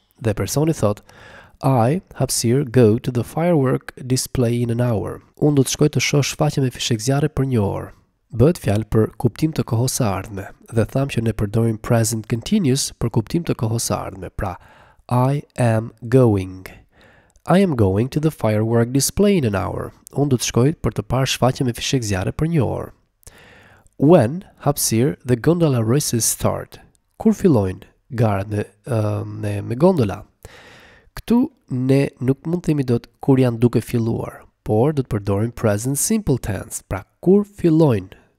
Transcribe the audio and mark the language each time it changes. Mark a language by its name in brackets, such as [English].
[Albanian] Dhe personi thot: [English] I, [Albanian] hapësir, [English] go to the firework display in an hour. [Albanian] Unë do të shkoj të shoh shfaqjen me fishek zjarre për një orë. Bëhet fjalë për kuptim të kohës së ardhme, dhe tham që ne përdorim present continuous për kuptim të kohës së ardhme, pra [English] I am going. I am going to the firework display in an hour. [Albanian] Unë do të shkoj për të parë shfaqjen me fishek zjarre për një orë. [English] When, [Albanian] hapësir, [English] the gondola races start. [Albanian] Kur fillojnë garat me gondola? Këtu ne nuk mund themi dot kur janë duke filluar, por do të përdorim present simple tense, pra kur fillojnë.